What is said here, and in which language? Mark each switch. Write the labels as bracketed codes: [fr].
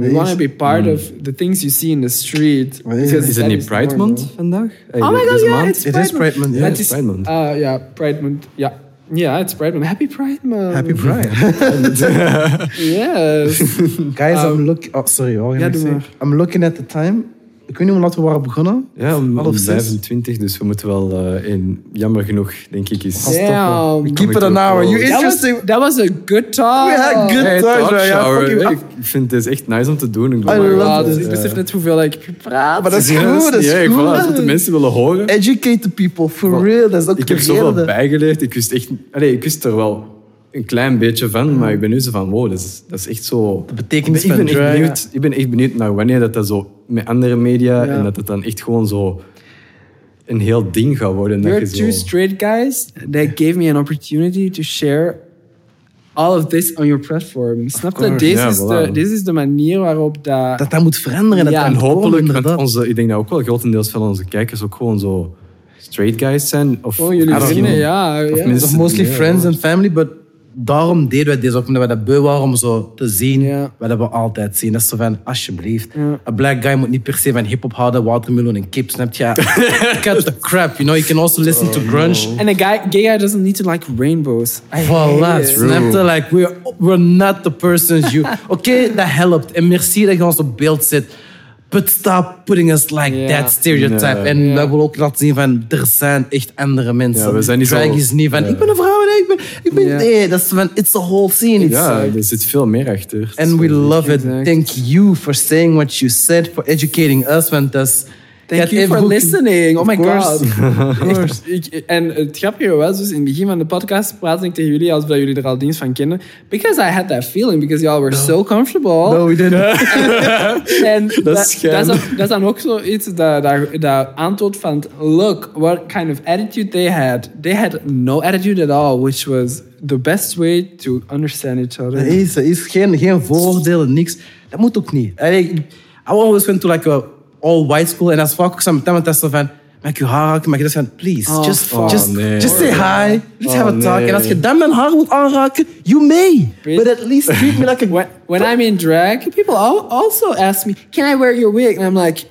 [en] We want to be part of the things you see in the street. [nl] Is het niet Pride Month vandaag? [en] Oh my god, yeah, it is Pride Month. Yeah, it's Pride Month. Yeah, it's Pride Month. Happy Pride Month. Happy Pride. Yes. Guys, I'm looking at the time. [nl] Ik weet niet hoe laat we waren begonnen. Ja, om 25, dus we moeten wel in, jammer genoeg, denk ik, eens stoppen. Damn. [en] We keep it an hour. You interesting. That was a good talk. We had good talk. [nl] Ik vind het echt nice om te doen. Ik besef net hoeveel ik praat. Maar dat is goed, dat is goed. Dat is wat de mensen willen horen. [en] Educate the people, for real. [nl] Dat is ook ik heb zoveel bijgeleerd. Ik wist echt, ik wist er wel een klein beetje van, maar ik ben nu zo van, wow, dat is echt zo... De betekenis van drag. Ik ben echt benieuwd naar wanneer dat zo met andere media en dat het dan echt gewoon zo een heel ding gaat worden. [en] There are two straight guys that gave me an opportunity to share all of this on your platform. [nl] Snap je? This is de manier waarop dat moet veranderen. Ja, en hopelijk, ik denk dat ook wel grotendeels van onze kijkers ook gewoon zo straight guys zijn. Of, oh, jullie vrienden, ja. Of [en] mostly friends and family, but [nl] daarom deden wij deze ook, omdat wij dat beu waren om zo te zien. Ja. Wat we altijd zien. Dat is zo van, alsjeblieft. Ja. [en] A black guy [nl] moet niet per se van hip-hop houden, watermeloen en kip, snap je? [en] Cut the crap, you know? You can also listen to grunge. And a gay guy doesn't need to like rainbows. Voilà, snap je? Like, we're not the persons you... [nl] Oké, dat helpt. En merci dat je ons op beeld zit. [en] But stop putting us like that stereotype. [nl] En we willen ook laten zien van, er zijn echt andere mensen. Ja, we zijn niet zo... Drag is niet van, ik ben een vrouw. Nee, dat is van, [en] it's a whole scene. [nl] Ja, er zit veel meer achter. [en] And we love it. Exact. Thank you for saying what you said, for educating us. [nl] Want [en] Thank you for listening. Oh my god. [nl] En het grappige was, dus in het begin van de podcast praatte ik tegen jullie als bij jullie er al dienst van kennen. [en] Because I had that feeling, because y'all were so comfortable. No, we didn't. [nl] dat is dan ook zoiets dat aantoont van, look, what kind of attitude they had. [en] They had no attitude at all, which was the best way to understand each other. [nl] Dat is geen voordelen, niks. Dat moet ook niet. [en] I always went to like a all white school. [nl] En dat is vaak ook zo met hem. En dat is zo van, maak je haar raken. Maak je dat van, [en] please, just say hi. Let's have a talk. [nl] En als je dan mijn haar moet aanraken, [en] you may. But at least treat me like a... When I'm in drag, people also ask me, can I wear your wig? And I'm like,